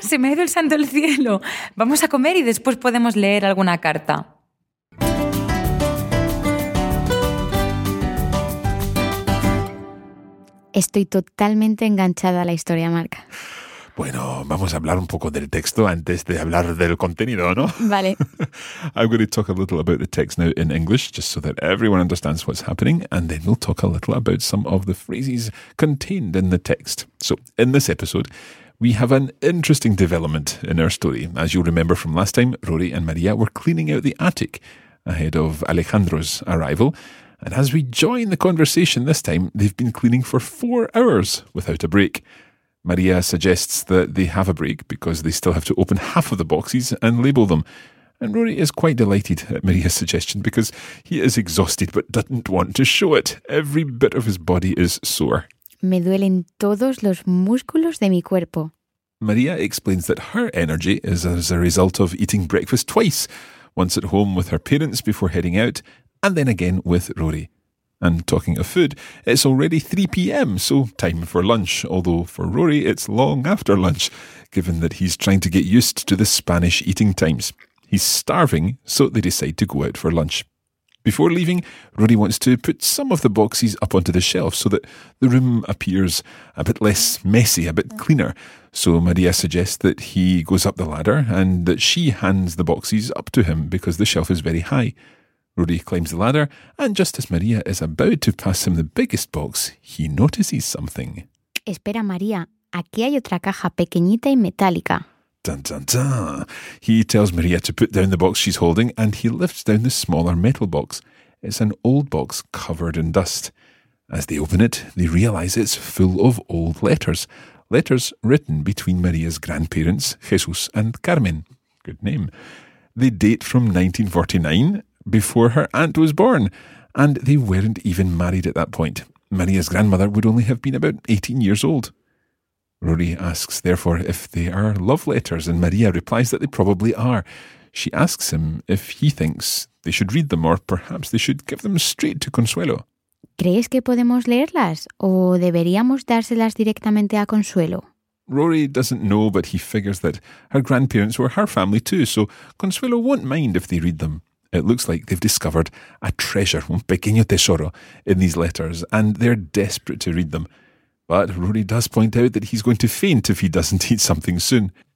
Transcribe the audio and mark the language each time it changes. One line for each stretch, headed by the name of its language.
Spanish: Se me ha ido el santo al cielo. Vamos a comer y después podemos leer alguna carta. Estoy totalmente enganchada a la historia, Marc. Bueno, vamos a hablar un poco del texto antes de hablar del contenido, ¿no? Vale.
English: I'm going to talk a little about the text now in English, just so that everyone understands what's happening, and then we'll talk a little about some of the phrases contained in the text. So, in this episode, we have an interesting development in our story. As you'll remember from last time, Rory and Maria were cleaning out the attic ahead of Alejandro's arrival, and as we join the conversation this time, they've been cleaning for 4 hours without a break. Maria suggests that they have a break because they still have to open half of the boxes and label them. And Rory is quite delighted at Maria's suggestion because he is exhausted but doesn't want to show it. Every bit of his body is sore.
Spanish: Me duelen todos los músculos de mi cuerpo.
English: Maria explains that her energy is as a result of eating breakfast twice, once at home with her parents before heading out, and then again with Rory. And talking of food, it's already 3 p.m, so time for lunch, although for Rory it's long after lunch, given that he's trying to get used to the Spanish eating times. He's starving, so they decide to go out for lunch. Before leaving, Rory wants to put some of the boxes up onto the shelf so that the room appears a bit less messy, a bit cleaner. So Maria suggests that he goes up the ladder and that she hands the boxes up to him because the shelf is very high. Rory climbs the ladder, and just as Maria is about to pass him the biggest box, he notices something.
Spanish: Espera, Maria. Aquí hay otra caja pequeñita y metálica. Dun, dun, dun.
English: He tells Maria to put down the box she's holding, and he lifts down the smaller metal box. It's an old box covered in dust. As they open it, they realise it's full of old letters. Letters written between Maria's grandparents, Jesús and Carmen. Good name. They date from 1949... before her aunt was born, and they weren't even married at that point. Maria's grandmother would only have been about 18 years old. Rory asks, therefore, if they are love letters, and Maria replies that they probably are. She asks him if he thinks they should read them, or perhaps they should give them straight to Consuelo.
Spanish: ¿Crees que podemos leerlas, o deberíamos dárselas directamente a Consuelo?
English: Rory doesn't know, but he figures that her grandparents were her family too, so Consuelo won't mind if they read them. It looks like they've discovered a treasure,
Spanish: un pequeño tesoro,
English: in these letters, and they're desperate to read them. But Rory does point out that he's going to faint if he doesn't eat something soon.